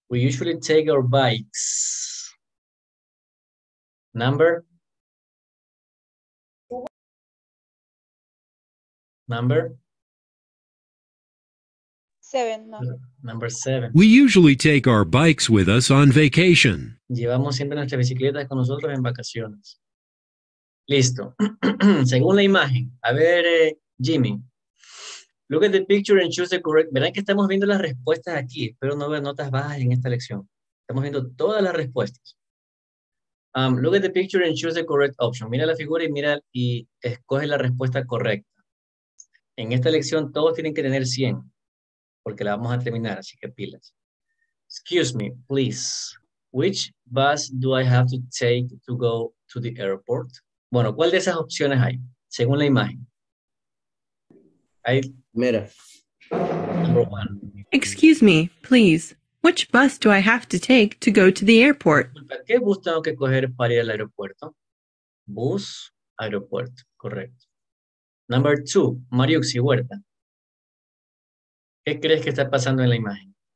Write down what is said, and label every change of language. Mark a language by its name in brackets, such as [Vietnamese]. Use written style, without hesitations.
[English] We usually take our bikes. Number? Seven. We usually take our bikes with us on vacation. [Spanish] Llevamos siempre nuestras bicicletas con nosotros en vacaciones. Listo. Según la imagen. A ver, Jimmy. [English] Look at the picture and choose the correct. [Spanish] Verán que estamos viendo las respuestas aquí. Espero no ver notas bajas en esta lección. Estamos viendo todas las respuestas. [English] Look at the picture and choose the correct option. [Spanish] Mira la figura y mira y escoge la respuesta correcta. En esta lección todos tienen que tener 100. Porque la vamos a terminar, así que pilas. [English] Excuse me, please. Which bus do I have to take to go to the airport? [Spanish] Bueno, ¿cuál de esas opciones hay? Según la imagen. Mira. [English] Number one. Excuse me, please. Which bus do I have to take to go to the airport? [Spanish] ¿Qué bus tengo que coger para ir al aeropuerto? Bus, aeropuerto, correcto. [English] Number two, [Spanish] Mariuxi Huerta. ¿Qué crees que está pasando en la imagen?